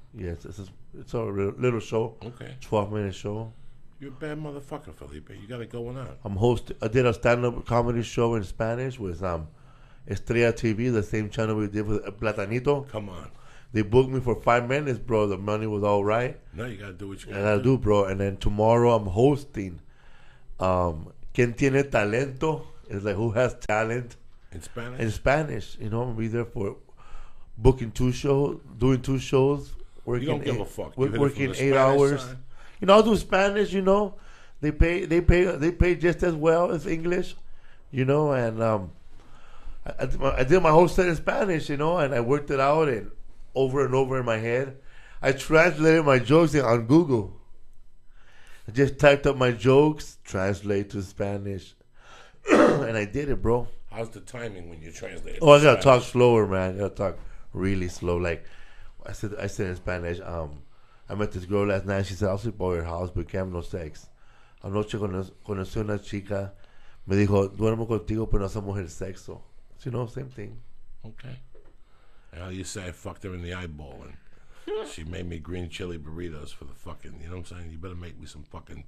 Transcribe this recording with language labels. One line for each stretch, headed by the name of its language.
English: Yes, it's a little show. Okay. 12-minute show. You're a bad motherfucker, Felipe. You got it going on. I did a stand-up comedy show in Spanish with Estrella TV, the same channel we did with Platanito. Come on. They booked me for 5 minutes, bro. The money was all right. No, you got to do what you got to do. And I do, bro. And then tomorrow I'm hosting ¿Quién tiene talento? It's like, who has talent? In Spanish, you know, I'm gonna be there for booking two shows, doing two shows, working. You don't give a fuck. Working 8 hours. Side. You know, I'll do Spanish. You know, they pay just as well as English. You know, and I did my whole set in Spanish. You know, and I worked it out and over in my head. I translated my jokes on Google. I just typed up my jokes, translate to Spanish, and I did it, bro. How's the timing when you translate? Oh, I gotta talk slower, man. I gotta talk really slow. Like, I said in Spanish, I met this girl last night. She said, I'll sleep over your house, but can't have no sex.
Spanish: Anoche conocí una chica. Me dijo, duermo contigo, pero no hacemos el sexo.
English: So, you know, same thing. Okay. Well, you say I fucked her in the eyeball, and she made me green chili burritos for the fucking, you know what I'm saying? You better make me some fucking...